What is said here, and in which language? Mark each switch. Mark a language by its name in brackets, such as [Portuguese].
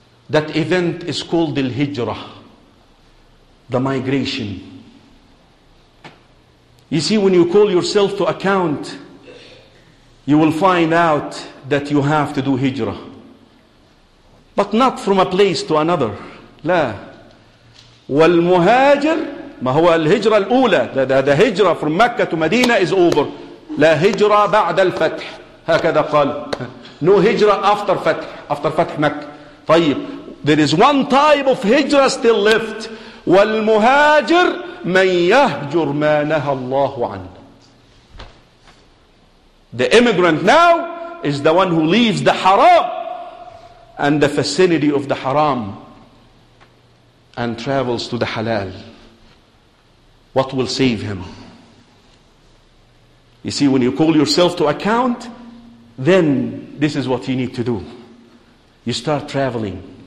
[English] That event is called the Hijrah, the migration. You see, when you call yourself to account, you will find out that you have to do Hijrah. But not from a place to another. [Arabic] لا. والمهاجر ما هو الهجرة الأولى. [English] The Hijrah from Mecca to Medina is over. [Arabic] لا هجرة بعد الفتح. هكذا قال. [English] No Hijrah after فتح. After فتح مكة. [Arabic] طيب. [English] There is one type of Hijrah still left. [Arabic] والمهاجر من يهجر ما نهى الله عنه. [English] The immigrant now is the one who leaves the haram and the vicinity of the haram and travels to the halal. What will save him? You see, when you call yourself to account, then this is what you need to do. You start traveling.